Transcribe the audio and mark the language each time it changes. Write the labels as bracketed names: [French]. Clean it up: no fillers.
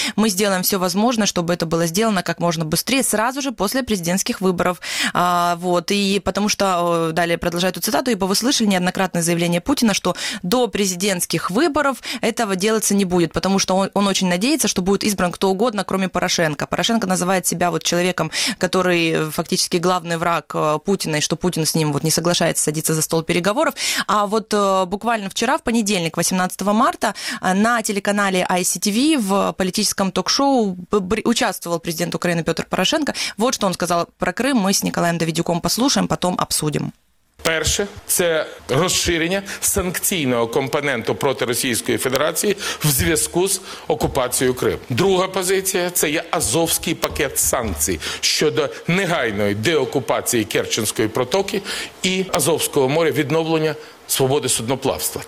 [Ukrainian] Ми зробимо все можливе, щоб це було зроблено як можна швидше, одразу ж після президентських виборів. Вот. І тому що, далі продовжую цитату, ібо ви слышали неоднократне заявлення Путіна, що до президентських виборів цього робитися не буде, тому що [Russian] он очень надеется, что будет избран кто угодно, кроме Порошенко. Порошенко называет себя вот человеком, который фактически главный враг Путина, и что Путин с ним вот не соглашается садиться за стол переговоров. А вот буквально вчера, в понедельник, 18 марта, на телеканале ICTV в политическом ток-шоу участвовал президент Украины Петр Порошенко. Вот что он сказал про Крым. Мы с Николаем Давидюком послушаем, потом обсудим. [Ukrainian] Перше, це розширення санкційного компоненту проти Російської Федерації в зв'язку з окупацією Криму. Друга позиція, це є Азовський пакет санкцій щодо негайної деокупації Керченської протоки і Азовського моря, відновлення свободи судноплавства.